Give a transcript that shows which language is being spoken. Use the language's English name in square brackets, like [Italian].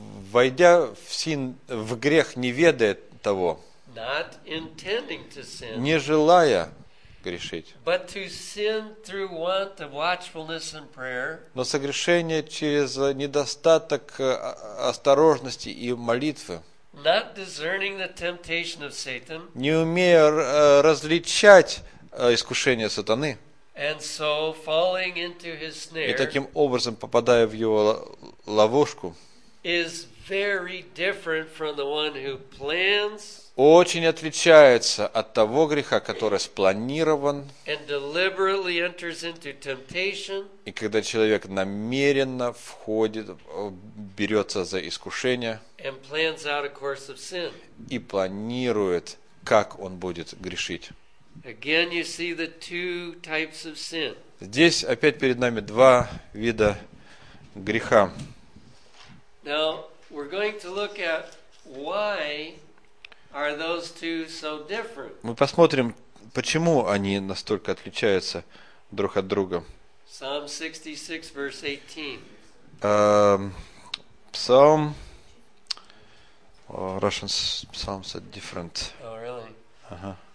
[Russian] Войдя в грех, не ведая того. [English] not intending to sin, [Russian] не желая грешить, [English] but to sin through want of watchfulness and prayer, [Russian] но согрешение через недостаток осторожности и молитвы, [English] not discerning the temptation of Satan, [Russian] не умея различать искушение сатаны, [English] and so falling into his snare, [Russian] и таким образом попадая в его ловушку, [English] is very different from the one who plans, [Russian] очень отличается от того греха, который спланирован, [English] and deliberately enters into temptation, [Russian] и когда человек намеренно входит, берется за искушение, [English] and plans out a course of sin, [Russian] и планирует, как он будет грешить. [English] Again, you see the two types of sin. [Russian] Здесь опять перед нами два вида греха. [English] Now we're going to look at why are those two so different. [Russian] Мы посмотрим, почему они настолько отличаются друг от друга. [English] Psalm 66, verse 18. Psalm. Oh, Russian psalms are different. Oh, really? Uh-huh.